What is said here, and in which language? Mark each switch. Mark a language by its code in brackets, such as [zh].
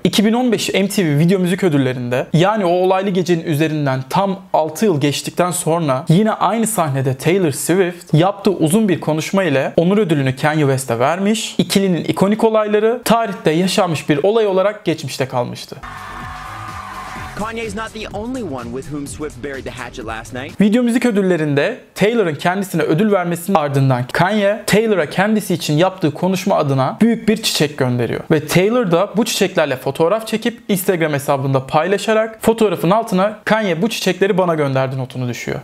[tr] 2015 MTV Video Müzik Ödülleri'nde, yani o olaylı gecenin üzerinden tam 6 yıl geçtikten sonra yine aynı sahnede Taylor Swift yaptığı uzun bir konuşma ile onur ödülünü Kanye West'e vermiş, ikilinin ikonik olayları tarihte yaşanmış bir olay olarak geçmişte kalmıştı. [en] Kanye's not the only one with whom Swift buried the hatchet last night. [tr] Video müzik ödüllerinde Taylor'ın kendisine ödül vermesinin ardından Kanye, Taylor'a kendisi için yaptığı konuşma adına büyük bir çiçek gönderiyor. Ve Taylor da bu çiçeklerle fotoğraf çekip Instagram hesabında paylaşarak fotoğrafın altına "Kanye bu çiçekleri bana gönderdi" notunu düşüyor.